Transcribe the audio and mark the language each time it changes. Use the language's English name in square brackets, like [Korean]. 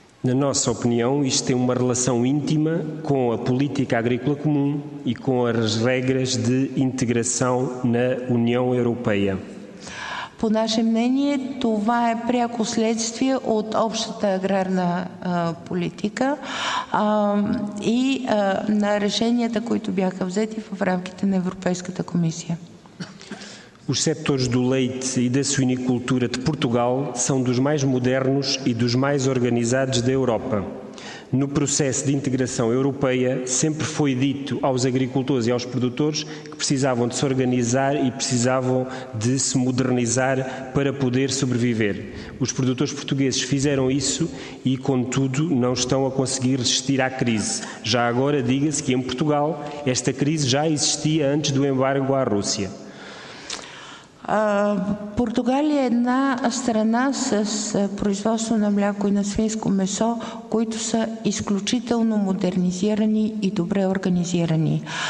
[Portuguese] Na nossa opinião, isto tem uma relação íntima com a política agrícola comum e com as regras de integração na União Europeia. [Bulgarian] По наше мнение, това е пряко следствие от общата аграрна политика и на решенията, които бяха взети в рамките на Европейската комисия. [Portuguese] Os setores do leite e da suinicultura de Portugal são dos mais modernos e dos mais organizados da Europa. No processo de integração europeia, sempre foi dito aos agricultores e aos produtores que precisavam de se organizar e precisavam de se modernizar para poder sobreviver. Os produtores portugueses fizeram isso e, contudo, não estão a conseguir resistir à crise. Já agora, diga-se que em Portugal esta crise já existia antes do embargo à Rússia. [Bulgarian] Португалия е една страна с производство на мляко и на свинско месо, които са изключително модернизирани и добре организирани.